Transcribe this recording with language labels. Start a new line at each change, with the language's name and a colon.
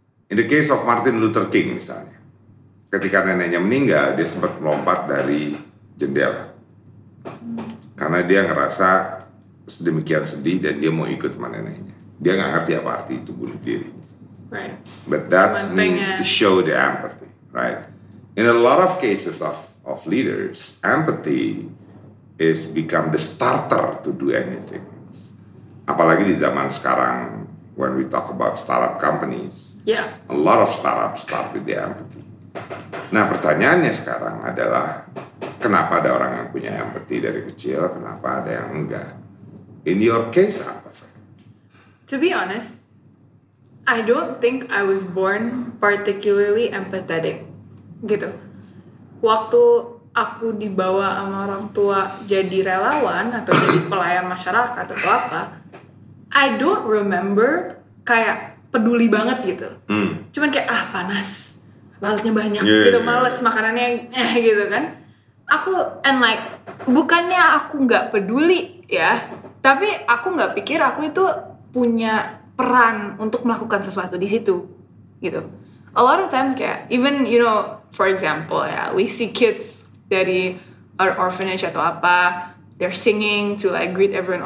Indonesian: In the case of Martin Luther King misalnya, ketika neneknya meninggal, dia sempat melompat dari jendela karena dia ngerasa sedemikian sedih dan dia mau ikut sama neneknya. Dia nggak ngerti apa arti itu bunuh diri.
English: Right. But that means to show the empathy, right? In a lot of cases of leaders, empathy is become the starter to do anything. Apalagi di zaman sekarang, when we talk about startup companies, yeah, a lot of startups start with the empathy.
Indonesian: Nah, pertanyaannya sekarang adalah kenapa ada orang yang punya empathy dari kecil, kenapa ada yang enggak?
English: In your case, apa? To be honest, I don't think I was born particularly empathetic, gitu.
Indonesian: Waktu aku dibawa sama orang tua jadi relawan atau jadi pelayan masyarakat atau apa, I don't remember kayak peduli banget gitu. Cuman kayak panas, lalatnya banyak, gitu, males makanannya, gitu kan. Aku and like bukannya aku nggak peduli ya, tapi aku nggak pikir aku itu punya peran untuk melakukan sesuatu di situ, gitu.
English: A lot of times kayak, even you know, for example ya, we see kids dari our orphanage atau apa, they're singing to like greet everyone.